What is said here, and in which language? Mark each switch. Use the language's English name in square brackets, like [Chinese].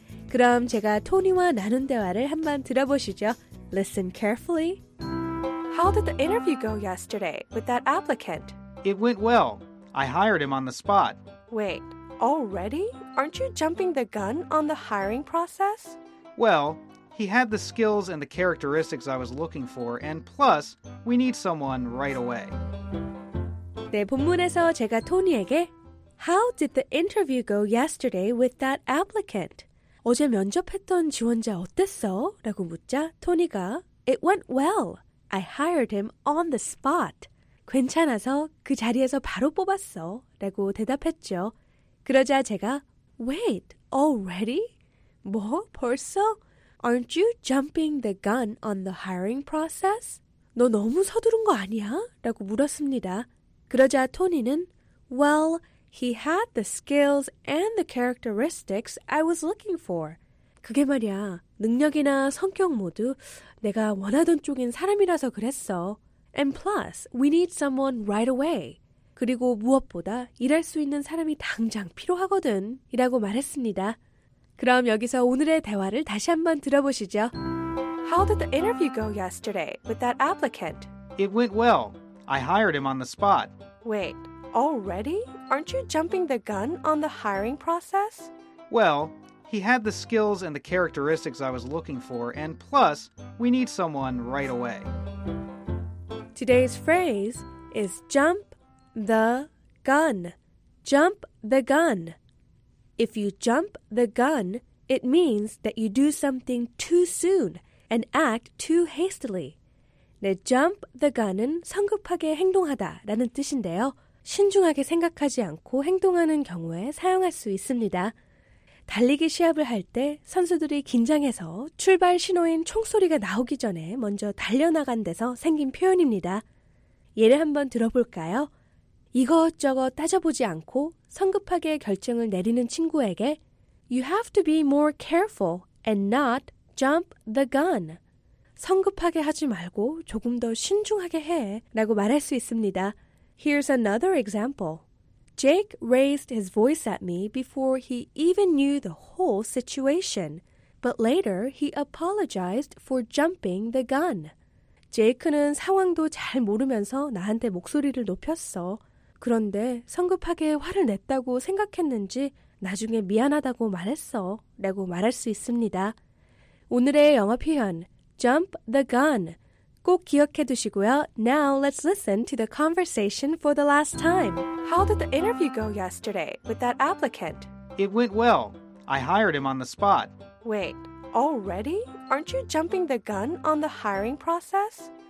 [Korean] 그럼 제가 토니와 나눈 대화를 한번 들어보시죠. [English] Listen carefully. How did the interview go yesterday with that applicant? It went well. I hired him on the spot. Wait, already? Aren't you jumping the gun on the hiring process? Well, he had the skills and the characteristics I was looking for, and plus, we need someone right away. [Korean] 네, 본문에서 제가 토니에게 [English] How did the interview go yesterday with that applicant? [Korean] 어제 면접했던 지원자 어땠어? 라고 묻자 토니가 [English] It went well. I hired him on the spot. [Korean] 괜찮아서 그 자리에서 바로 뽑았어 라고 대답했죠. 그러자 제가 [English] Wait, already? [Korean] 뭐, 벌써? [English] Aren't you jumping the gun on the hiring process? [Korean] 너 너무 서두른 거 아니야? 라고 물었습니다. 그러자 토니는 [English] Well, he had the skills and the characteristics I was looking for. [Korean] 그게 말이야, 능력이나 성격 모두 내가 원하던 쪽인 사람이라서 그랬어. [English] And plus, we need someone right away. [Korean] 그리고 무엇보다 일할 수 있는 사람이 당장 필요하거든. 이라고 말했습니다. 그럼 여기서 오늘의 대화를 다시 한번 들어보시죠. [English] How did the interview go yesterday with that applicant? It went well. I hired him on the spot. Wait, already? Aren't you jumping the gun on the hiring process? Well... He had the skills and the characteristics I was looking for, and plus, we need someone right away. Today's phrase is jump the gun. Jump the gun. If you jump the gun, it means that you do something too soon and act too hastily. [Korean] 네, jump the gun은 성급하게 행동하다라는 뜻인데요. 신중하게 생각하지 않고 행동하는 경우에 사용할 수 있습니다. 달리기 시합을 할 때 선수들이 긴장해서 출발 신호인 총소리가 나오기 전에 먼저 달려나간 데서 생긴 표현입니다. 예를 한번 들어볼까요? 이것저것 따져보지 않고 성급하게 결정을 내리는 친구에게 [English] You have to be more careful and not jump the gun. [Korean] 성급하게 하지 말고 조금 더 신중하게 해 라고 말할 수 있습니다. [English] Here's another example. Jake raised his voice at me before he even knew the whole situation, but later he apologized for jumping the gun. [Korean] 제이크는 상황도 잘 모르면서 나한테 목소리를 높였어. 그런데 성급하게 화를 냈다고 생각했는지 나중에 미안하다고 말했어 라고 말할 수 있습니다. 오늘의 영어 표현, jump the gun. 꼭 기억해 두시고요. [English] Now let's listen to the conversation for the last time. How did the interview go yesterday with that applicant? It went well. I hired him on the spot. Wait, already? Aren't you jumping the gun on the hiring process?